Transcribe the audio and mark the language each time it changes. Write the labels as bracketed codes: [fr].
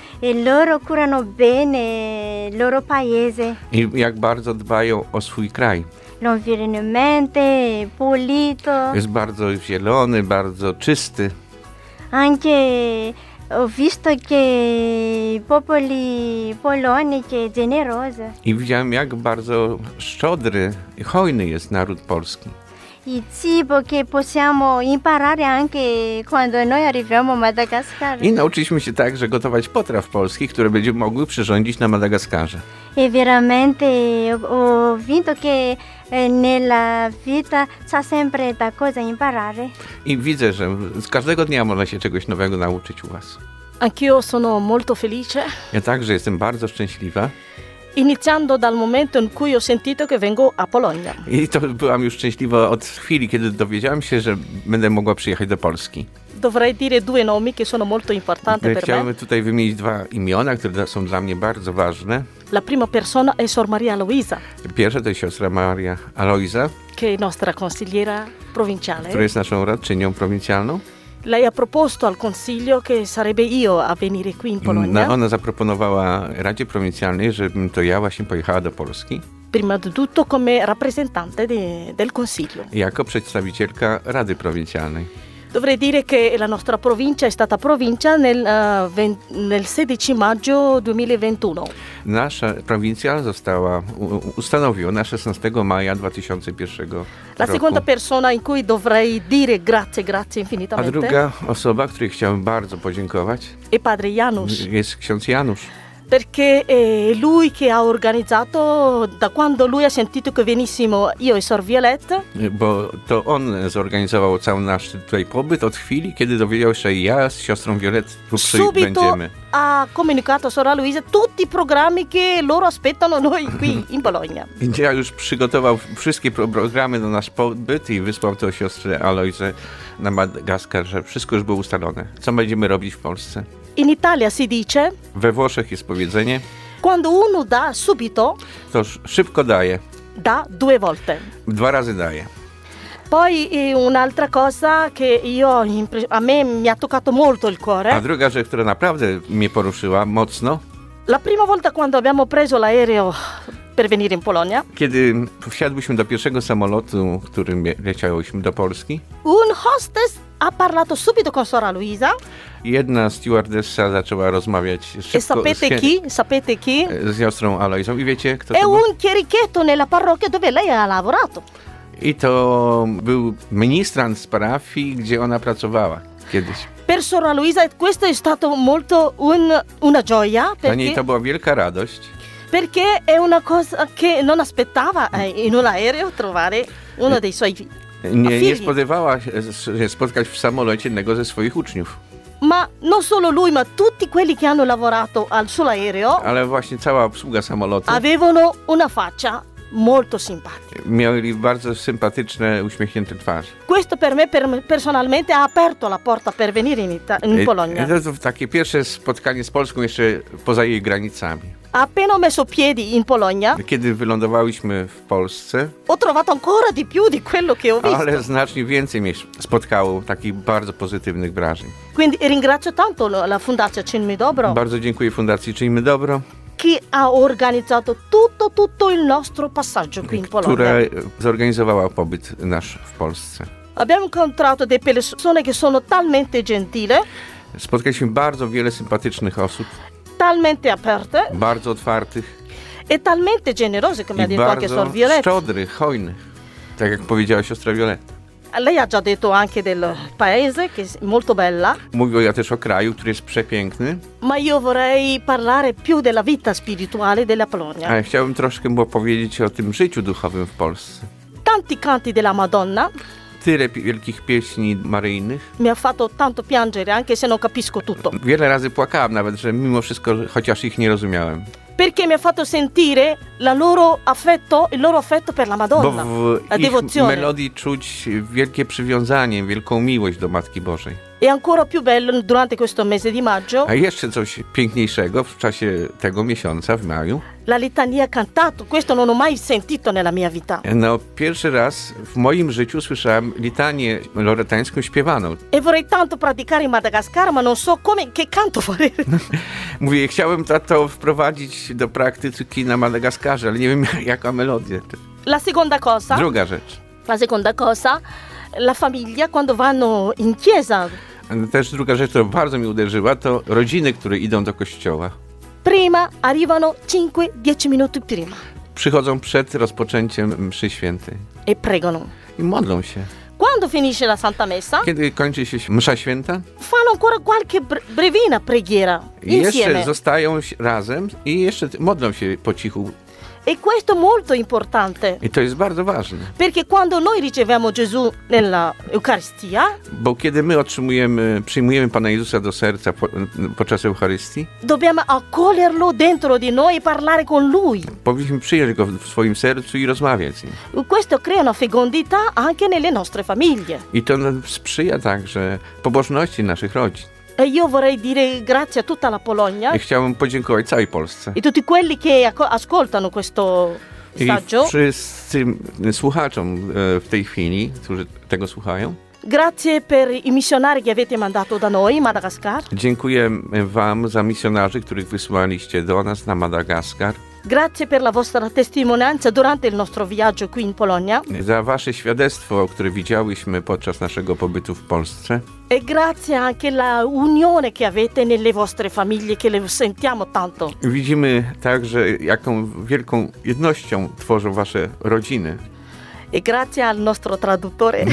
[it] E loro curano bene loro paese. [pl] I jak bardzo dbają o swój kraj. [it] L'environnemente, pulito. [pl] Jest bardzo zielony, bardzo czysty. [it] Anche ho visto che popoli polonici generosi. [pl] I widziałem, jak bardzo szczodry i hojny jest naród polski. [it] I cibo che possiamo imparare anche quando noi arriviamo a Madagascar. [pl] I nauczyliśmy się także gotować potraw polskich, które będziemy mogły przyrządzić na Madagaskarze. [it] E veramente ho visto che nella vita c'è sempre da cosa imparare. [pl] I widzę, że z każdego dnia można się czegoś nowego nauczyć u was. [it] Anch'io sono molto felice. [pl] Ja także jestem bardzo szczęśliwa. [it] Iniziando dal momento in cui ho sentito che vengo a Polonia. [pl] I to byłam już szczęśliwa od chwili, kiedy dowiedziałam się, że będę mogła przyjechać do Polski. [it] Dovrei dire due nomi che sono molto importanti per me. [pl] Chciałam tutaj wymienić dwa imiona, które są dla mnie bardzo ważne. [it] La prima persona è Sor Maria Aloisa. [pl] Pierwsza to jest siostra Maria Aloisa. [it] Che è nostra consigliera provinciale. [pl] Która jest naszą radczynią prowincjalną. [it] Lei ha proposto al consiglio che sarebbe io a venire qui in Polonia. [pl] No, ona zaproponowała Radzie Prowincjalnej, żebym to ja właśnie pojechała do Polski. [it] Prima di tutto come rappresentante del consiglio. [pl] Jako przedstawicielka Rady Prowincjalnej. [it] Dovrei dire che la nostra provincia è stata provincia nel 16 maggio 2021. [pl] Nasza prowincja została ustanowiona na 16 maja 2001 roku. [it] La seconda persona in cui dovrei dire grazie infinitamente. [pl] A druga osoba, której chciałbym bardzo podziękować. [it] E padre Janusz. [pl] Jest ksiądz Janusz. [it] Perché è lui che ha organizzato da quando lui ha sentito che venissimo io e Sor Violette. [pl] Bo to on zorganizował cały nasz tutaj pobyt od chwili, kiedy dowiedział się, że ja z siostrą Violette tu będziemy. [it] Subito ha comunicato a Sor Aloisa tutti i programmi che loro aspettano noi qui in Bologna. [pl] Ja już przygotował wszystkie programy na nasz pobyt i wysłał to siostrze Aloisa na Madagaskar, że wszystko już było ustalone. Co będziemy robić w Polsce? [it] In Italia si dice. [pl] We Włoszech jest powiedzenie. [it] Quando uno da subito. [pl] To szybko daje. [it] Da due volte. [pl] Dwa razy daje. [it] Poi un'altra cosa che io a me mi ha toccato molto il cuore. [pl] A druga rzecz, która naprawdę mnie poruszyła mocno. [it] La prima volta quando abbiamo preso l'aereo per venire in Polonia. [pl] Kiedy wsiadłyśmy do pierwszego samolotu, którym leciałyśmy do Polski. [it] Un hostess ha parlato subito con suora Luisa. [pl] Jedna stewardessa zaczęła rozmawiać szybko. [it] E sapete chi? Sapete chi? [pl] Z siostrą Aloisą. I wiecie, kto [it] è un chierichetto nella parrocchia dove lei ha lavorato. [pl] I to był ministrant z parafii, gdzie ona pracowała kiedyś. [it] Per suora Luisa questo è stato molto una gioia. [pl] Dla niej to była wielka radość. [it] Perché è una cosa che non aspettava in un aereo trovare uno dei suoi figli. [pl] Nie spodziewała się spotkać w samolocie jednego ze swoich uczniów. [it] Ma non solo lui, ma tutti quelli che hanno lavorato al suo aereo. [pl] Ale właśnie cała obsługa samolotu. [it] Avevano una faccia molto simpatica. [pl] Mieli bardzo sympatyczne, uśmiechnięte twarze. [it] Questo per me personalmente ha aperto la porta per venire in Polonia. [pl] To jest takie pierwsze spotkanie z Polską jeszcze poza jej granicami. [it] Appena ho messo piedi in Polonia. [pl] Kiedy wylądowałyśmy w Polsce. [it] Ho trovato ancora di più di quello che ho visto. [pl] Ale znacznie więcej mi spotkało takich bardzo pozytywnych wrażeń. [it] Quindi ringrazio tanto la Fundazione Cinmi Dobro. [pl] Bardzo dziękuję Fundacji Cinmi Dobro. [it] Chi ha organizzato tutto il nostro passaggio qui in Polonia. [pl] Która zorganizowała pobyt nasz w Polsce. [it] Abbiamo incontrato delle persone che sono talmente gentili. [pl] Spotkaliśmy bardzo wiele sympatycznych osób. [it] Talmente aperte. [pl] Bardzo otwartych. [it] E talmente generosi, come ha detto anche [pl] suor Violetta. Bardzo szczodry, hojny. Tak jak powiedziała siostra Violetta. [it] Lei ha già detto anche del paese, che è molto bella. [pl] Mówiła ja też o kraju, który jest przepiękny. [it] Ma io vorrei parlare più della vita spirituale della Polonia. [pl] A chciałbym troszkę opowiedzieć o tym życiu duchowym w Polsce. [it] Tanti canti della Madonna. [pl] Tyle wielkich pieśni maryjnych. [it] Mi ha fatto tanto piangere, anche se non capisco tutto. [pl] Wiele razy płakałam nawet, że mimo wszystko, chociaż ich nie rozumiałem. [it] Perché mi ha fatto sentire la loro affetto, il loro affetto per la Madonna. [pl] Bo w [it] la devozione. [pl] Ich melodii czuć wielkie przywiązanie, wielką miłość do Matki Bożej. [it] E ancora più bello durante questo mese di maggio. [pl] A jeszcze coś piękniejszego w czasie tego miesiąca, w maju. [it] La litania cantato, questo non ho mai sentito nella mia vita. [pl] No, pierwszy raz w moim życiu słyszałem litanię loretańską śpiewaną. [it] E vorrei tanto praticare in Madagascar, ma non so come, che canto fare. [pl] Mówię, chciałbym to wprowadzić do praktyki na Madagaskarze, ale nie wiem jaka melodia. [it] La seconda cosa. [pl] Druga rzecz. [it] La seconda cosa. La famiglia quando vanno in chiesa. [pl] Też druga rzecz, która bardzo mi uderzyła, to rodziny, które idą do kościoła. [it] Prima arrivano 5-10 minuti prima. [pl] Przychodzą przed rozpoczęciem mszy świętej. [it] E pregano. [pl] I modlą się. [it] Quando finisce la santa messa? [pl] Kiedy kończy się msza święta? [it] Fanno ancora qualche brevina preghiera insieme. [pl] Jeszcze zostają razem i jeszcze modlą się po cichu. [it] E questo è molto importante. [pl] E to jest bardzo ważne. [it] Perché quando noi riceviamo Gesù nella Eucaristia. [pl] Bo kiedy my przyjmujemy Pana Jezusa do serca podczas Eucharystii. [it] Dobbiamo accoglierlo dentro di noi e parlare con Lui. [pl] Powinniśmy przyjąć Go w swoim sercu i rozmawiać z Nim. [it] E questo crea una fecondità anche nelle nostre famiglie. [pl] I to sprzyja także pobożności naszych rodzin. [it] E io vorrei dire grazie a tutta la Polonia. [pl] I chciałbym podziękować całej Polsce. [it] I tutti quelli che ascoltano questo saggio. [pl] I wszyscy słuchaczom w tej chwili, którzy tego słuchają. [it] Grazie per i misjonari che avete mandato da noi, Madagascar. [pl] Dziękuję wam za misjonarzy, których wysłaliście do nas na Madagaskar. [it] Grazie per la vostra testimonianza durante il nostro viaggio qui in Polonia. [pl] Za wasze świadectwo, które widziałyśmy podczas naszego pobytu w Polsce. [it] E grazie anche la unione che avete nelle vostre famiglie, che le sentiamo tanto. [pl] Widzimy także, jaką wielką jednością tworzą wasze rodziny. [it] E grazie al nostro traduttore.